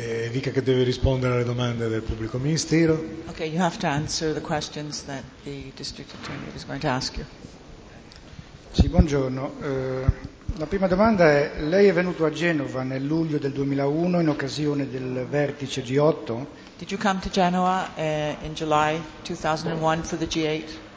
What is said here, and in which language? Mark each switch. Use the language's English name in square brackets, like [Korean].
[Italian] Dica che deve rispondere alle domande del pubblico ministero. [English] Okay, you have to answer the questions that the district attorney is going to ask you. [Italian] Sì, buongiorno. La prima domanda è, lei è venuto a Genova nel luglio del 2001 in occasione del vertice G8? [English] Did you come to Genoa in July 2001 for the G8?